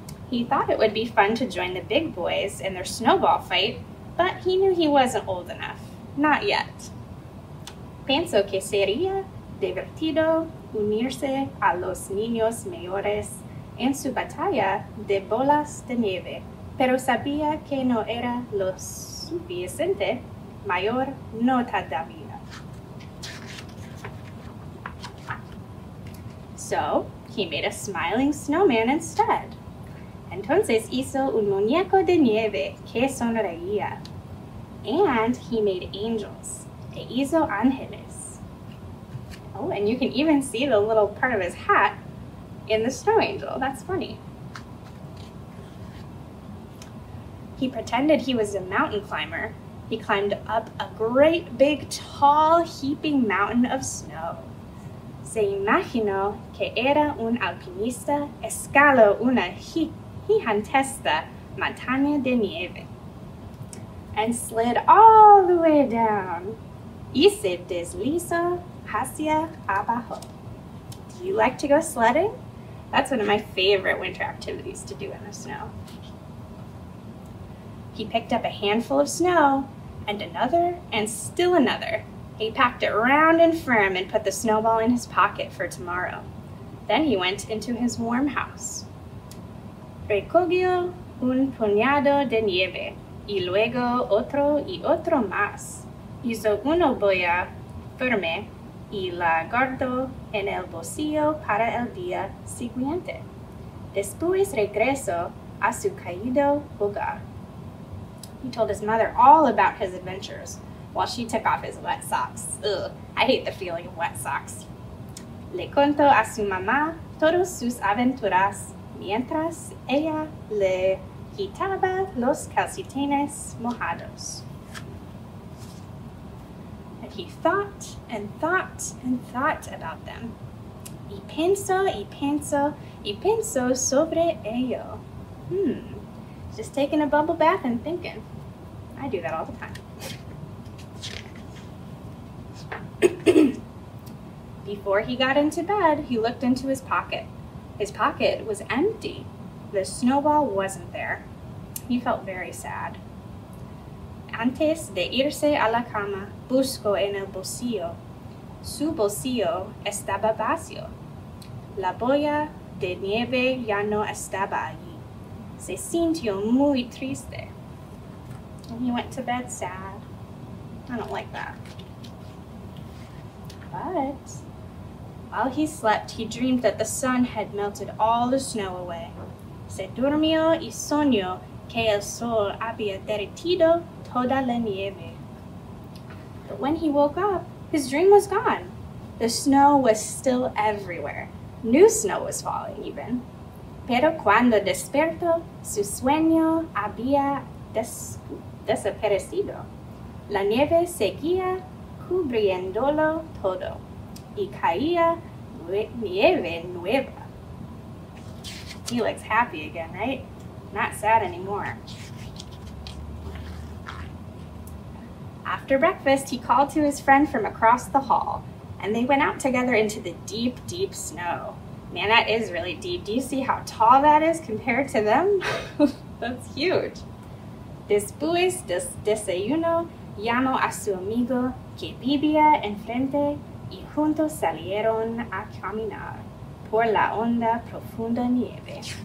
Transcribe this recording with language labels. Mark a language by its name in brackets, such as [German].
[English] He thought it would be fun to join the big boys in their snowball fight, but he knew he wasn't old enough. Not yet. [Spanish] Pensó que sería divertido unirse a los niños mayores en su batalla de bolas de nieve, pero sabía que no era lo suficiente mayor no todavía. [English] So, he made a smiling snowman instead. [Spanish] Entonces hizo un muñeco de nieve que sonreía. [English] And he made angels. [Spanish] E hizo ángeles. [English] Oh, and you can even see the little part of his hat in the snow angel. That's funny. He pretended he was a mountain climber. He climbed up a great big tall heaping mountain of snow. [Spanish] Se imaginó que era un alpinista escaló una gigantesca montaña de nieve [English] and slid all the way down [Spanish] y se deslizó hacia abajo. [English] Do you like to go sledding? That's one of my favorite winter activities to do in the snow. He picked up a handful of snow and another and still another. He packed it round and firm and put the snowball in his pocket for tomorrow. Then he went into his warm house. [Spanish] Recogió un puñado de nieve, y luego otro y otro más. Hizo una boya firme y la guardó en el bolsillo para el día siguiente. Después regresó a su querido hogar. [English] He told his mother all about his adventures, while she took off his wet socks. Ugh, I hate the feeling of wet socks. [Spanish] Le contó a su mamá todas sus aventuras mientras ella le quitaba los calcetines mojados. [English] And he thought and thought and thought about them. [Spanish] Y pensó y pensó y pensó sobre ello. [English] Just taking a bubble bath and thinking. I do that all the time. Before he got into bed, he looked into his pocket. His pocket was empty. The snowball wasn't there. He felt very sad. [Spanish] Antes de irse a la cama, buscó en el bolsillo. Su bolsillo estaba vacío. La boya de nieve ya no estaba allí. Se sintió muy triste. [English] And he went to bed sad. I don't like that. But while he slept, he dreamed that the sun had melted all the snow away. [Spanish] Se durmió y soñó que el sol había derretido toda la nieve. [English] But when he woke up, his dream was gone. The snow was still everywhere. New snow was falling, even. [Spanish] Pero cuando despertó, su sueño había desaparecido. La nieve seguía cubriéndolo todo. Y caía nieve nueva. [English] He looks happy again, right? Not sad anymore. After breakfast, he called to his friend from across the hall, and they went out together into the deep, deep snow. Man, that is really deep. Do you see how tall that is compared to them? That's huge. [Spanish] Después del desayuno, llamó a su amigo que vivía enfrente y juntos salieron a caminar por la honda profunda nieve.